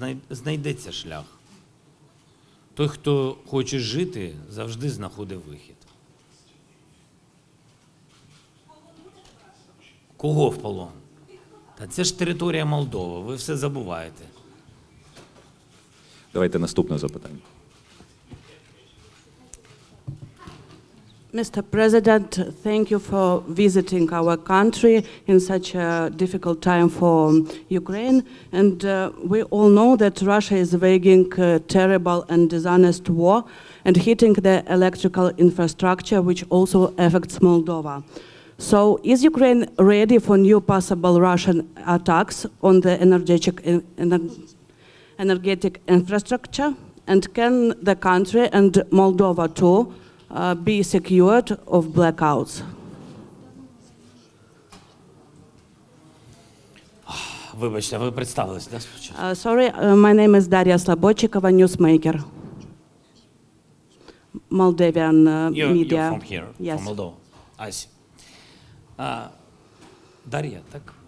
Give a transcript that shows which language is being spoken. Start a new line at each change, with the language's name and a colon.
Ukrainian: Знайдеться шлях. Той, хто хоче жити, завжди знаходить вихід. Кого в полон? Та це ж територія Молдови, ви все забуваєте. Давайте наступне запитання.
English: Mr. President, thank you for visiting our country in such a difficult time for Ukraine. And we all know that Russia is waging a terrible and dishonest war and hitting the electrical infrastructure, which also affects Moldova. So is Ukraine ready for new possible Russian attacks on the energetic infrastructure? And can the country and Moldova too be secured of blackouts?
Ukrainian: Вибачте, ви представились, да, спочатку?
English: Sorry, my name is Daria Slobochikova, newsmaker. Moldavian media. You're from here, yes. From Moldova. I see.
Ukrainian: Дар'я, так?